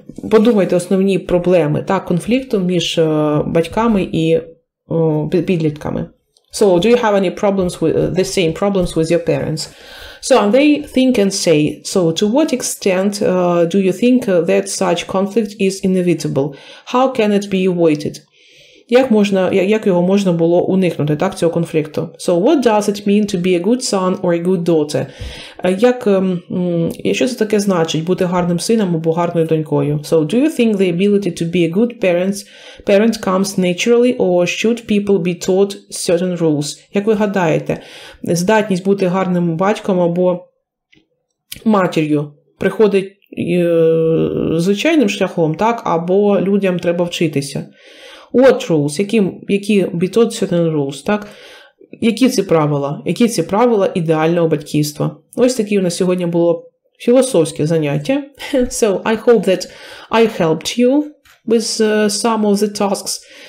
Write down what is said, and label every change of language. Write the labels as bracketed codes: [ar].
[uk] Подумайте основні проблеми та конфлікту між батьками і підлітками. [en] So, do you have any problems with the same problems with your parents? So, and they think and say, so to what extent do you think that such conflict is inevitable? How can it be avoided? [uk] як його можна було уникнути, так, цього конфлікту. [en] So, what does it mean to be a good son or a good daughter? [uk] Що це таке значить, бути гарним сином або гарною донькою? [en] So, do you think the ability to be a good parent comes naturally, or should people be taught certain rules? [uk] Як ви гадаєте, здатність бути гарним батьком або матір'ю приходить звичайним шляхом, так, або людям треба вчитися? [en] What rules? Які be taught certain rules, так? [uk] Які ці правила? Які ці правила ідеального батьківства? Ось такі у нас сьогодні було філософське заняття. [en] So, I hope that I helped you with some of the tasks.